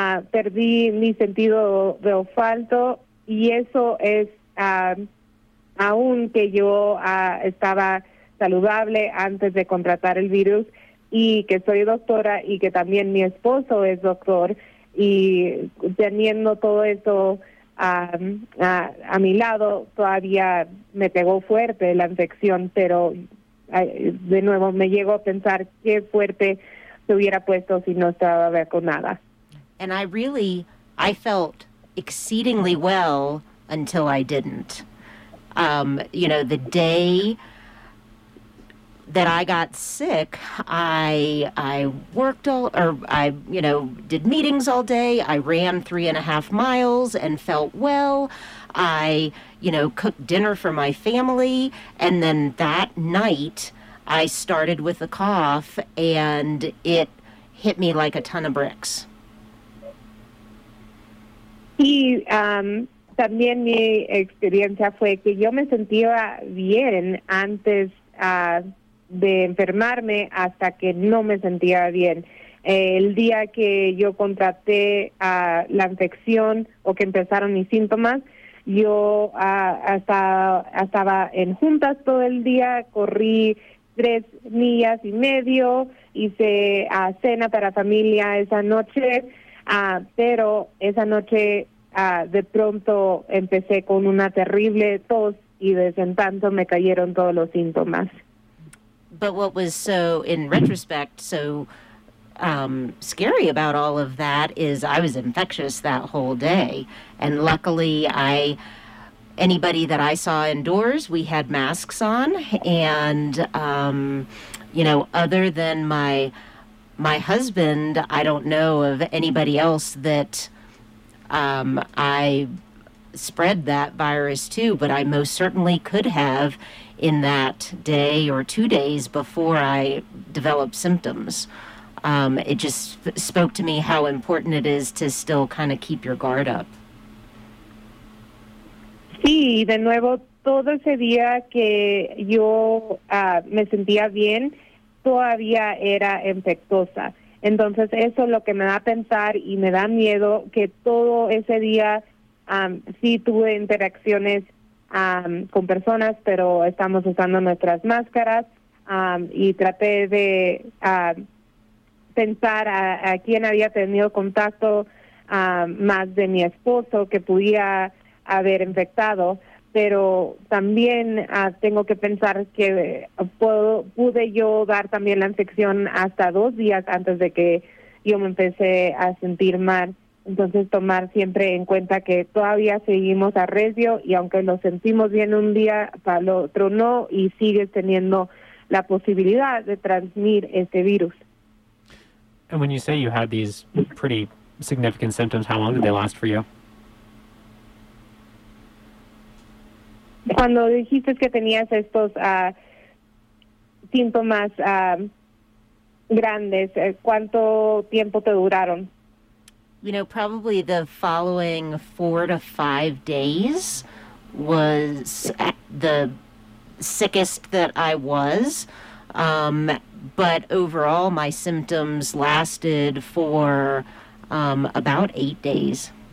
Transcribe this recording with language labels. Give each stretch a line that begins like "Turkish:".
Spanish: Perdí mi sentido de olfato y eso es, aún que yo estaba saludable antes de contratar el virus y que soy doctora y que también mi esposo es doctor, y teniendo todo eso a mi lado, todavía me pegó fuerte la infección, pero de nuevo me llegó a pensar qué fuerte se hubiera puesto si no estaba vacunada.
English: And I felt exceedingly well until I didn't. You know, the day that I got sick, I did meetings all day. I ran 3.5 miles and felt well. I, you know, cooked dinner for my family. And then that night, I started with a cough and it hit me like a ton of bricks.
Spanish: Y también mi experiencia fue que yo me sentía bien antes de enfermarme hasta que no me sentía bien. El día que yo contraté la infección o que empezaron mis síntomas, yo estaba en juntas todo el día, corrí 3 millas y medio, hice cena para familia esa noche, pero esa noche... de pronto empecé con una terrible tos y desde entonces me cayeron todos los síntomas.
English: But what was so, in retrospect, so scary about all of that is I was infectious that whole day. And luckily, anybody that I saw indoors, we had masks on. And, you know, other than my husband, I don't know of anybody else that... I spread that virus too, but I most certainly could have in that day or 2 days before I developed symptoms. It just spoke to me how important it is to still kind of keep your guard up.
Spanish: Sí, de nuevo, todo ese día que yo me sentía bien, todavía era infectosa. Entonces eso es lo que me da a pensar y me da miedo que todo ese día sí tuve interacciones con personas, pero estamos usando nuestras máscaras y traté de pensar a quién había tenido contacto más de mi esposo que pudiera haber infectado, pero también tengo que pensar que pude yo dar también la infección hasta 2 días antes de que yo me empecé a sentir mal. Entonces, tomar siempre en cuenta que todavía seguimos a riesgo y aunque nos sentimos bien un día, para el otro no, y sigues teniendo la posibilidad de transmitir este virus.
English: And when you say you had these pretty significant symptoms, how long did they last for you?
Spanish: Cuando dijiste que tenías estos síntomas grandes, ¿cuánto tiempo te duraron?
English: You know, probably the following 4 to 5 days was the sickest that I was. But overall, my symptoms lasted for about 8 days.